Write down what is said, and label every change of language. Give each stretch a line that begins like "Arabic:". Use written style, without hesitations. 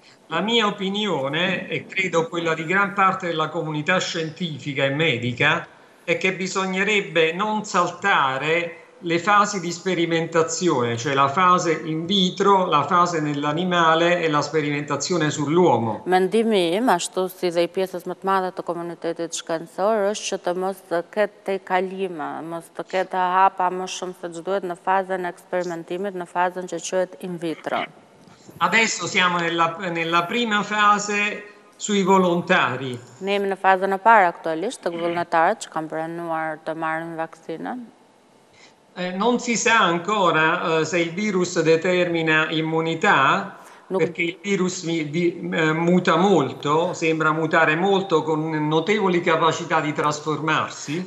Italian: La mia opinione, e credo quella di gran parte della comunità scientifica e medica, è che bisognerebbe non saltare le fasi di sperimentazione, cioè la fase in vitro, la fase nell'animale e la sperimentazione sull'uomo.
Albanian: Mendimi im, ashtu si dhe i pjesës më të madhe të komunitetit shkencor, është që të mos të ketë te kalime, mos të ketë hapa më shumë se ç'duhet në fazën eksperimentimit, në fazën që quhet in vitro.
Italian: Adesso siamo nella prima fase sui volontari.
Albanian: Ne jemi në fazën e parë aktualisht të volontarët që kanë pranuar të marrin vaksinën.
Italian: Non si sa ancora se il virus determina immunità, perché il virus muta molto, sembra mutare molto con notevoli capacità di trasformarsi.